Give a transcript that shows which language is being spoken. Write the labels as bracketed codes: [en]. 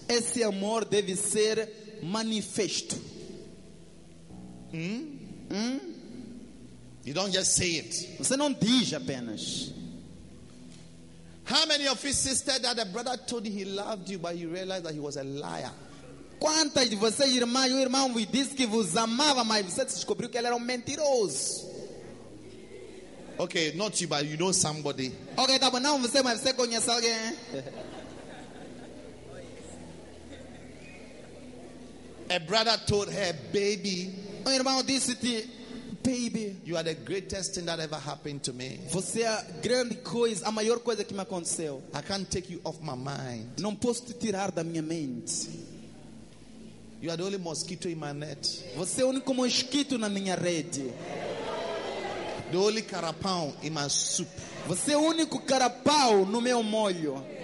[pt] Esse amor deve ser manifesto. [en] You don't just say it. [pt] Você não diz apenas. [en] How many of his sisters that a brother told you he loved you, but you realized that he was a liar? [pt] Quantas de vocês, irmã e irmão, me disse que vos amava, mas você descobriu que ele era um mentiroso? [en] Okay, not you, but you know somebody. [pt] Okay, tá bom, não você, mas você conhece alguém. [en] A brother told her, baby. [pt] Um irmão disse te, baby. [en] You are the greatest thing that ever happened to me. [pt] Você é a grande coisa, a maior coisa que me aconteceu. [en] I can't take you off my mind. [pt] Não posso te tirar da minha mente. [en] You are the only mosquito in my net. [pt] Você é o único mosquito na minha rede. [en] The only carapau in my soup. [pt] Você é o único carapau no meu molho.